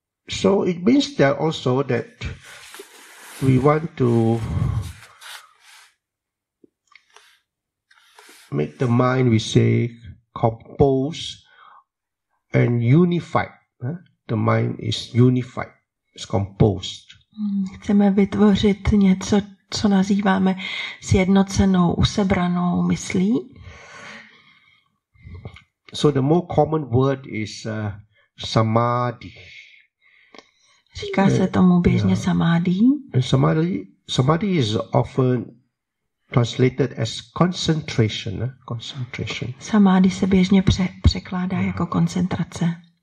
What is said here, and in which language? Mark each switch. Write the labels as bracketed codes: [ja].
[en] So it means that also that we want to make the mind, we say, composed and unified. The mind is unified. It's composed. [cs] Chceme vytvořit něco, co nazýváme sjednocenou, usebranou myslí. [en] So the more common word is samadhi. [cs] Říká se tomu běžně samadhi. [en] Samadhi is often translated as concentration. Concentration. [cs] Samadhi se běžně překládá jako koncentrace.